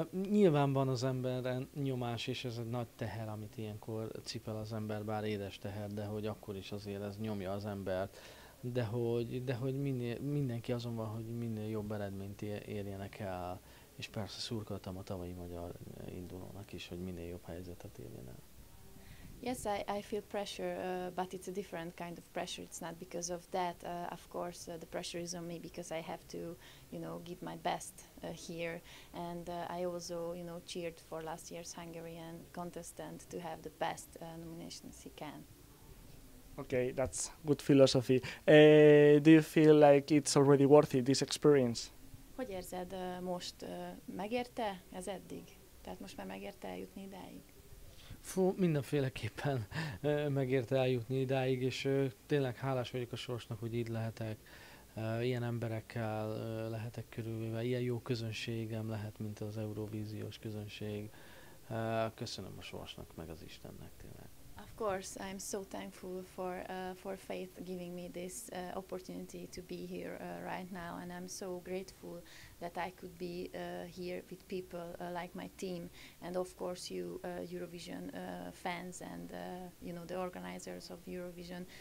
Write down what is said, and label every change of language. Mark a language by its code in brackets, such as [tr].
[hu] Nyilván van az emberen nyomás, és ez egy nagy teher, amit ilyenkor cipel az ember, bár édes teher, de hogy akkor is azért ez nyomja az embert. De hogy mindenki azon van, hogy minél jobb eredményt érjenek el. És persze szurkoltam a tavalyi magyar indulónak is, hogy minél jobb helyzetet érjen el. [en] Yes, I feel pressure, but it's a different kind of pressure. It's not because of that. Of course, the pressure is on me because I have to, you know, give my best here. And I also, you know, cheered for last year's Hungarian contestant to have the best nominations he can. Okay, that's good philosophy. Do you feel like it's already worth it, this experience? [hu] Hogy érzed most? Megérte ez eddig? Tehát most már megérte eljutni ideig? Fú, mindenféleképpen megérte eljutni idáig, és tényleg hálás vagyok a sorsnak, hogy így lehetek, ilyen emberekkel lehetek körülvéve, ilyen jó közönségem lehet, mint az Eurovíziós közönség. Köszönöm a sorsnak, meg az Istennek tényleg. [en] Of course, I'm so thankful for faith giving me this opportunity to be here right now, and I'm so grateful that I could be here with people like my team, and of course you Eurovision fans and you know the organizers of Eurovision.